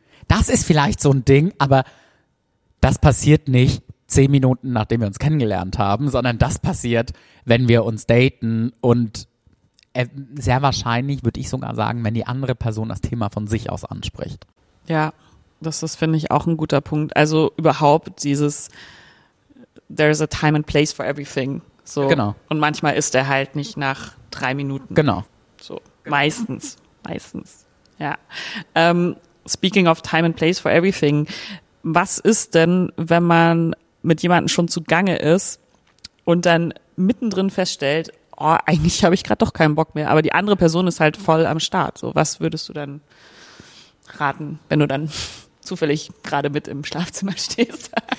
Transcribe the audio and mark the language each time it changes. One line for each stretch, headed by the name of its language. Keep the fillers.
German: Das ist vielleicht so ein Ding, aber das passiert nicht zehn Minuten, nachdem wir uns kennengelernt haben, sondern das passiert, wenn wir uns daten und äh, sehr wahrscheinlich, würde ich sogar sagen, wenn die andere Person das Thema von sich aus anspricht. Ja, das ist, finde ich, auch ein guter Punkt. Also überhaupt dieses
English: There's a time and place for everything.
German: So. Genau. Und manchmal ist er halt nicht nach drei Minuten. Genau. So. Meistens. Meistens. Ja.
English: Ähm, speaking of time and place for everything.
German: Was ist denn, wenn man mit jemandem schon zugange ist und dann mittendrin feststellt, oh, eigentlich habe ich gerade doch keinen Bock mehr, aber die andere Person ist halt voll am Start. So, was würdest du dann raten, wenn du dann zufällig gerade mit im Schlafzimmer stehst?